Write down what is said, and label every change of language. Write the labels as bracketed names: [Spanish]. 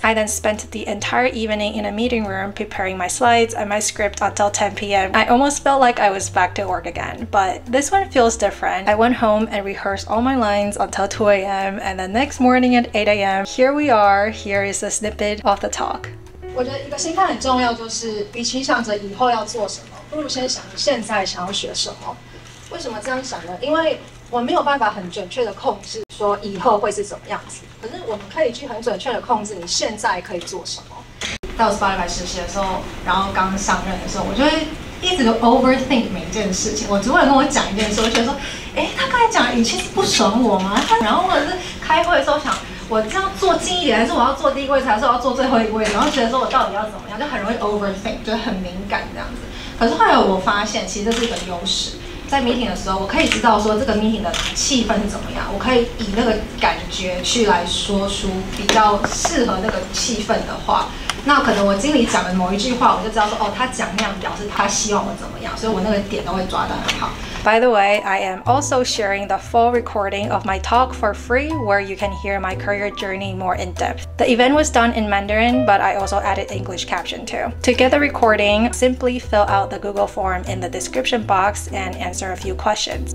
[English] I then spent the entire evening in a meeting room preparing my slides and my script until 10 p.m. I almost felt like I was back to work again, but this one feels different. I went home and rehearsed all my lines until 2 a.m. and the next morning at 8 a.m. Here we are, here is a snippet of the talk. [Chinese] 我觉得一个心态很重要，就是与其想着以后要做什么，不如先想着现在想要学什么。为什么这样想呢？因为我没有办法很准确的控制说以后会是怎么样子，可是我们可以去很准确的控制你现在可以做什么。到 Spotify 实习的时候，然后刚上任的时候，我就会一直都 overthink 每一件事情。我主管跟我讲一件事，我觉得说，哎，他刚才讲语气是不爽我吗？然后或者是开会的时候想，我这样坐近一点，还是我要坐第一位置，还是我要坐最后一位置？然后觉得说我到底要怎么样，就很容易 overthink， 就很敏感这样子。可是后来我发现，其实这是一个优势。在 meeting 的时候，我可以知道说这个 meeting 的气氛是怎么样，我可以以那个感觉去来说出比较适合那个气氛的话。那可能我经理讲的某一句话，我就知道说，哦，他讲那样表示他希望我怎么样，所以我那个点都会抓得很好。 [English] By the way, I am also sharing the full recording of my talk for free where you can hear my career journey more in depth. The event was done in Mandarin, but I also added English caption too. To get the recording, simply fill out the Google form in the description box and answer a few questions.